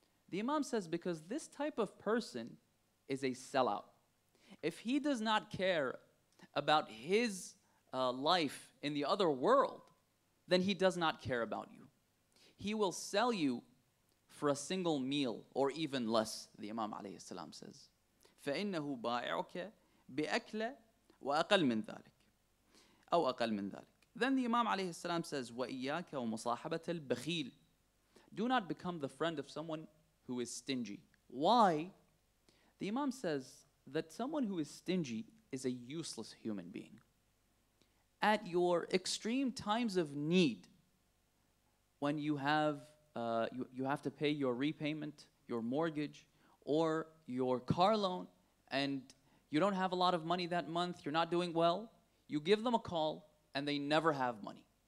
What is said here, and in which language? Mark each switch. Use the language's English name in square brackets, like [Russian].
[English] The Imam says, because this type of person is a sellout. If he does not care about his life in the other world, then he does not care about you. He will sell you for a single meal or even less, the Imam alayhi salam says. [Arabic] فَإِنَّهُ بَائِعُكَ بِأَكْلَ وَأَقَلْ مِنْ ذَلِكَ أو أقل من ذلك. [English] Then the Imam alayhi salam says, [Arabic] وَإِيَّاكَ وَمُصَاحَبَةَ الْبَخِيلِ. [English] Do not become the friend of someone who is stingy. Why? The Imam says that someone who is stingy is a useless human being. At your extreme times of need, when you have you have to pay your repayment, your mortgage, or your car loan, and you don't have a lot of money that month, you're not doing well, you give them a call, and they never have money.